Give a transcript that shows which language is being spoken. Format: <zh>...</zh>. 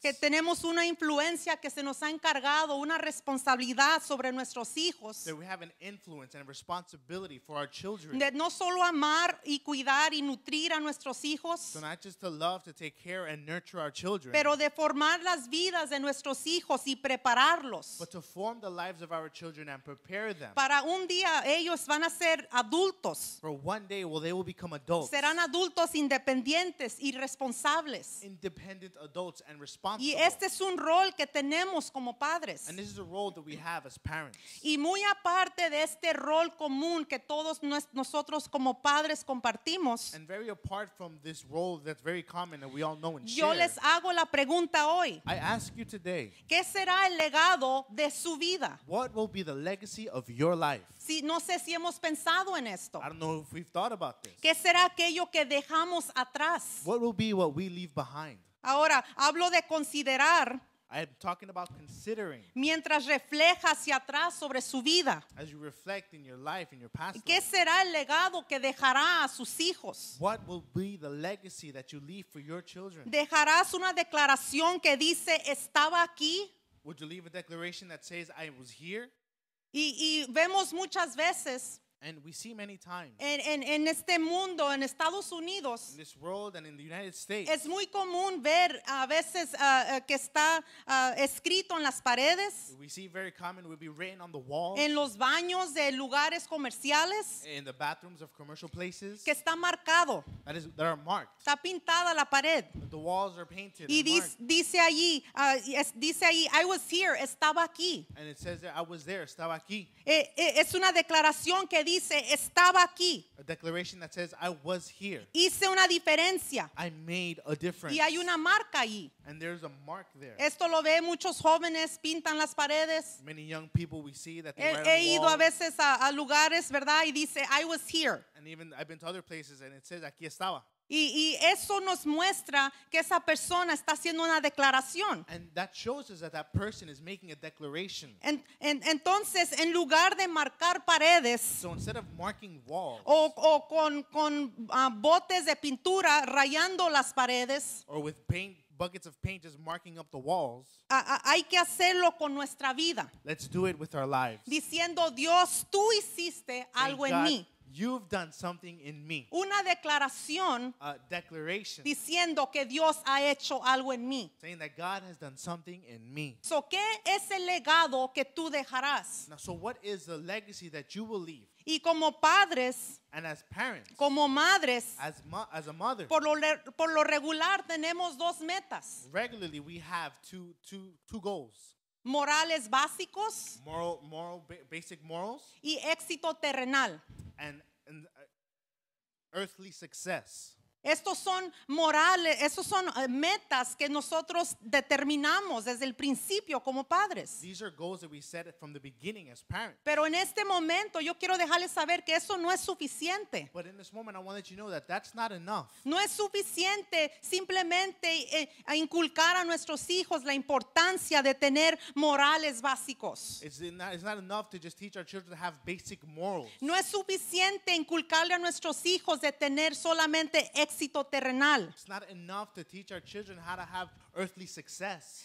<es>que tenemos una influencia que se nos ha encargado, una responsabilidad sobre nuestros hijos,</es> <en>that we have an influence and a responsibility for our children,</en> <es>de no solo amar y cuidar y nutrir a nuestros hijos,</es> <en>so not just to love, to take care and nurture our children,</en> <es>pero de formar las vidas de nuestros hijos y prepararlos,</es> <en>but to form the lives of our children and prepare them,</en> <es>para un día ellos van a ser adultos,</es> <en>for one day well, they will become adults,</en> <es>serán adultos independientes y responsables.</es> <en>Independent adults and responsible.</en> <es>Y este es un rol que tenemos como padres.</es> <en>And this is a role that we have as parents.</en> <es>Y muy aparte de este rol común que todos nosotros como padres compartimos,</es> <en>and very apart from this role that's very common that we all know and share,</en> <es>yo les hago la pregunta hoy.</es> <en>I ask you today.</en> <es>¿Qué será el legado de su vida?</es> <en>What will be the legacy of your life?</en> <es>Si, no sé si hemos pensado en esto.</es> <en>I don't know if we've thought about this.</en> <es>¿Qué será aquello que dejamos atrás?</es> <en>What will be what we leave behind?</en> <es>Ahora, hablo de considerar.</es> <en>I am talking about considering.</en> <es>Mientras refleja hacia atrás sobre su vida.</es> <en>As you reflect in your life, in your past life.</en> <es>¿Qué será el legado que dejará a sus hijos?</es> <en>What will be the legacy that you leave for your children?</en> <es>¿Dejarás una declaración que dice, estaba aquí?</es> <en>Would you leave a declaration that says, I was here?</en> <es>Y vemos muchas veces.</es> <en>And we see many times.</en> <es>En este mundo, en Estados Unidos,</es> <en>in this world and in the United States,</en> <es>es muy común ver a veces que está escrito en las paredes.</es> <en>We see very common will be written on the walls.</en> <es>En los baños de lugares comerciales.</es> <en>In the bathrooms of commercial places.</en> <es>Que está marcado.</es> <en>That is, that are marked.</en> <es>Está pintada la pared.</es> <en>The walls are painted.</en> <es>Y dice allí,</es> <en>I was here,</en> <es>estaba aquí.</es> <en>And it says there, I was there,</en> <es>estaba aquí. Es una declaración que dice, estaba aquí.</es> <en>A declaration that says, I was here.</en> <es>Hice una diferencia.</es> <en>I made a difference.</en> <es>Y hay una marca allí.</es> <en>And there's a mark there.</en> <es>Esto lo ve muchos jóvenes, pintan las paredes.</es> <en>Many young people we see that they he, write he on the wall.</en> <es>A veces a lugares, ¿verdad? Y dice,</es> <en>I was here. And even I've been to other places and it says,</en> <es>aquí estaba. Y eso nos muestra que esa persona está haciendo una declaración.</es> <en>And that shows us that that person is making a declaration.</en> <es>Entonces, en lugar de marcar paredes,</es> <en>so instead of marking walls,</en> <es>o con botes de pintura rayando las paredes,</es> <en>or with paint, buckets of paint just marking up the walls,</en> <es>hay que hacerlo con nuestra vida.</es> <en>Let's do it with our lives.</en> <es>Diciendo, Dios, tú hiciste algo en mí.</es> <en>You've done something in me.</en> <es>Una declaración,</es> <en>a declaration,</en> <es>diciendo que Dios ha hecho algo en mí.</es> <en>Saying that God has done something in me.</en> <es>So, ¿qué es el legado que tú dejarás?</es> <en>Now, so what is the legacy that you will leave?</en> <es>Y como padres,</es> <en>and as parents,</en> <es>como madres,</es> <en>as a mother,</en> <es>por lo regular tenemos dos metas.</es> <en>Regularly we have two goals.</en> <es>Morales básicos,</es> <en>moral basic morals,</en> <es>y éxito terrenal.</es> <en>And earthly success.</en> <es>Estos son morales, estos son metas que nosotros determinamos desde el principio como padres.</es> <en>These are goals that we set from the beginning as parents.</en> <es>Pero en este momento yo quiero dejarles saber que eso no es suficiente.</es> <en>But in this moment I want to let you know that that's not enough.</en> <es>No es suficiente simplemente inculcar a nuestros hijos la importancia de tener morales básicos.</es> <en>It's not enough to just teach our children to have basic morals.</en> <es>No es suficiente inculcarle a nuestros hijos de tener solamente éxito terrenal.</es> <en>It's not enough to teach our children how to have earthly success.</en>